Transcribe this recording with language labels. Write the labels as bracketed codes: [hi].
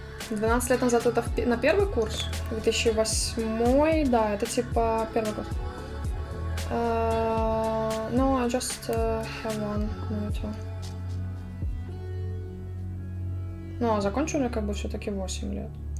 [ru] Лет назад это на первый курс, 2008, да, это типа первый год. [en] No, I just have one minute. [ru] Ну, а закончили как бы все-таки 8 лет.